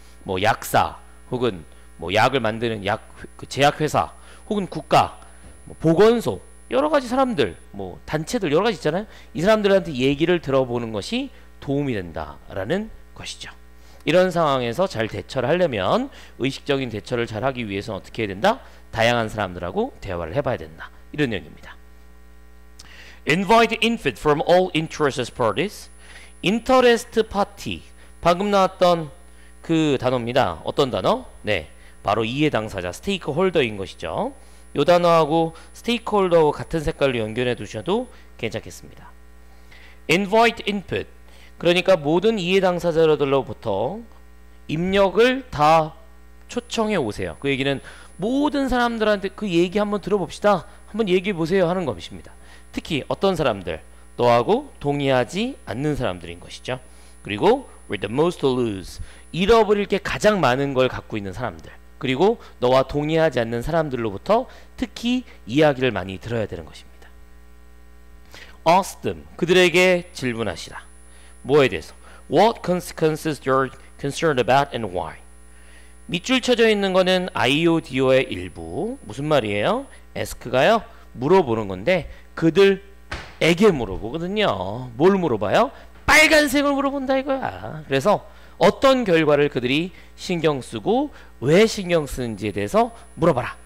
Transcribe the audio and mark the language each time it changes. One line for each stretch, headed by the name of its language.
Korean: 뭐 약사 혹은 뭐 약을 만드는 제약회사 혹은 국가, 뭐 보건소 여러 가지 사람들, 뭐 단체들 여러 가지 있잖아요. 이 사람들한테 얘기를 들어보는 것이 도움이 된다라는 것이죠. 이런 상황에서 잘 대처를 하려면 의식적인 대처를 잘 하기 위해서는 어떻게 해야 된다? 다양한 사람들하고 대화를 해봐야 된다. 이런 내용입니다.
English: Invite input from all interested parties. Interest party.
Korean: 방금 나왔던 그 단어입니다. 어떤 단어? 네, 바로 이해당사자, 스테이크홀더인 것이죠. 요 단어하고 스테이크홀더와 같은 색깔로 연결해 두셔도 괜찮겠습니다.
English: Invite input.
Korean: 그러니까 모든 이해당사자들로부터 입력을 다 초청해 오세요. 그 얘기는 모든 사람들한테 그 얘기 한번 들어봅시다. 한번 얘기해 보세요 하는 것입니다. 특히 어떤 사람들? 너하고 동의하지 않는 사람들인 것이죠.
English: 그리고 with the most to lose.
Korean: 잃어버릴 게 가장 많은 걸 갖고 있는 사람들. 그리고 너와 동의하지 않는 사람들로부터 특히 이야기를 많이 들어야 되는 것입니다.
English: Ask them.
Korean: 그들에게 질문하시라. 뭐에 대해서?
English: What consequences you're concerned about and why?
Korean: 밑줄 쳐져 있는 거는 IODO의 일부. 무슨 말이에요? Ask가요? 물어보는 건데 그들에게 물어보거든요. 뭘 물어봐요? 빨간색을 물어본다 이거야. 그래서 어떤 결과를 그들이 신경 쓰고 왜 신경 쓰는지에 대해서 물어봐라.